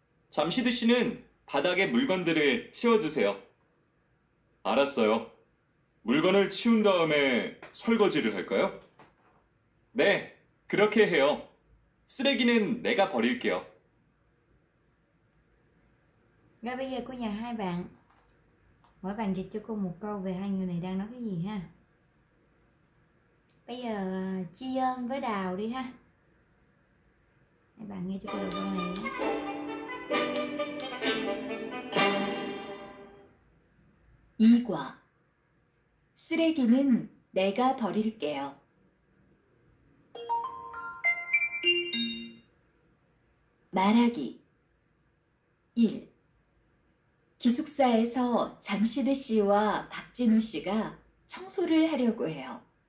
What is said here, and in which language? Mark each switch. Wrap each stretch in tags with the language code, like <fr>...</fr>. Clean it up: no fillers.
<ko>잠시드 씨는 바닥에 물건들을 치워주세요. 알았어요. 물건을 치운 다음에 설거지를 할까요? 네, 그렇게 해요. 쓰레기는 내가 버릴게요.</ko> <vi>Rồi bây giờ cô nhờ hai bạn. Mỗi bạn dịch cho cô một câu về hai người này đang nói cái gì ha. Bây giờ Chi Ân với Đào đi ha. Hai bạn nghe cho cô đọc câu này nhé.</vi> <ko>Y quả 쓰레기는 내가 버릴게요. 말하기 1. 기숙사에서 장시드 씨와 박진우 씨가 청소를 하려고 해요.</ko>